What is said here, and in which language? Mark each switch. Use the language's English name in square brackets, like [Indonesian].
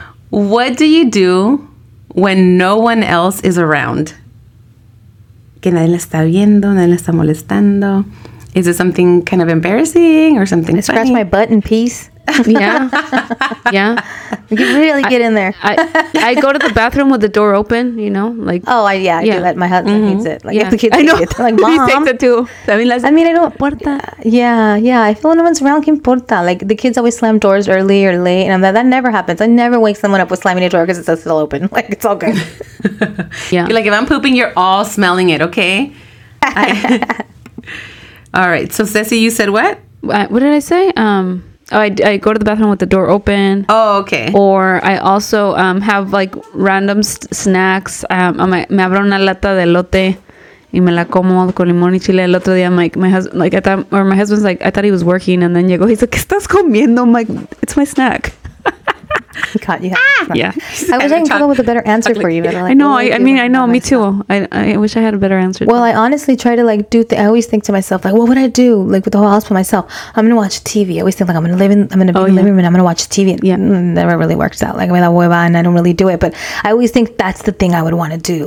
[English] What do you do when no one else is around? [Spanish] Que nadie la está viendo, nadie la está molestando. [English] Is it something kind of embarrassing or something funny? I scratch my butt in peace. Yeah. Yeah. You really get in there. I go to the bathroom with the door open, you know? Like, oh, I do that. My husband mm-hmm. hates it. Like, yeah. If the kids hate it, like, Mom. He takes it too. I mean, I don't. [Spanish] Importa. [English] Yeah. I feel no one's around, [Spanish] que importa. [English] Like, the kids always slam doors early or late, and that never happens. I never wake someone up with slamming a door because it's still open. Like, it's all good. Yeah. You're like, if I'm pooping, you're all smelling it, okay? All right. So, Ceci, you said what? What did I say? I go to the bathroom with the door open. Oh, okay. Or I also have, like, random snacks. [Spanish] Me abro una lata de elote y me la como con limón y chile. El otro día, [English] my husband's like, I thought he was working, and then [Spanish] llegó. [English] He's like, [Spanish] ¿qué estás comiendo? [English] I'm like, it's my snack. He caught you. Yeah. I wish I could come up with a better answer for you. But like, I know. I know. Me too. I wish I had a better answer. Well, I honestly try to, like, I always think to myself, like, what would I do, like, with the whole house by myself? I'm going to watch TV. I always think, like, I'm going to be in the living room and I'm going to watch TV. Yeah. It never really works out. Like, I mean, that hueva, and I don't really do it. But I always think that's the thing I would want to do.